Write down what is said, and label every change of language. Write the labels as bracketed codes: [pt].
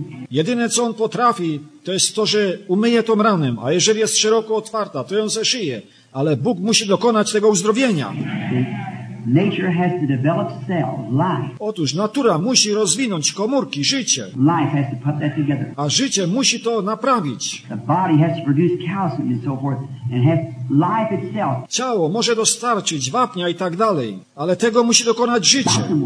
[pl] Jedyne co on potrafi, to jest to, że umyje tą ranę, a jeżeli jest szeroko otwarta, to ją zeszyje. Ale Bóg musi dokonać tego uzdrowienia. [en] Nature has to develop cells, life. [pl] Otóż natura musi rozwinąć komórki, życie. [en] Life has to put that together. [pl] A życie musi to naprawić. [en] The body has to produce calcium and so forth and has life itself. [pl] Ciało może dostarczyć wapnia i tak dalej, ale tego musi dokonać życie.